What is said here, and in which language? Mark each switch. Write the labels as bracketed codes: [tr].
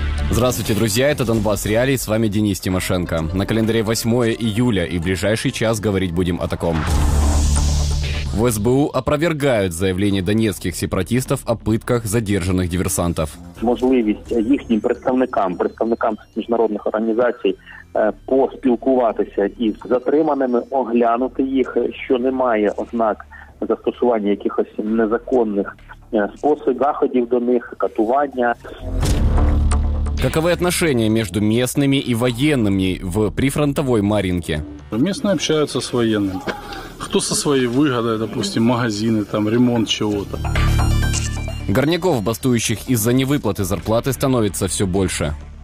[ru] Здравствуйте, друзья, это «Донбасс Реалии», с вами Денис Тимошенко. На календаре 8 июля и в ближайший час говорить будем о таком. В СБУ опровергают заявление донецких сепаратистов о пытках задержанных диверсантов. [uk] Можливість їхнім представникам міжнародних організацій поспілкуватися із затриманими, оглянути їх, що немає ознак застосування якихось незаконних способів заходів до них, катування. [ru] Каковы отношения между местными и военными в прифронтовой Марьинке? Местные общаются с военными. Кто со своей выгодой, допустим, магазины, там, ремонт чего-то. Горняков, бастующих из-за невыплаты зарплаты, становится все больше.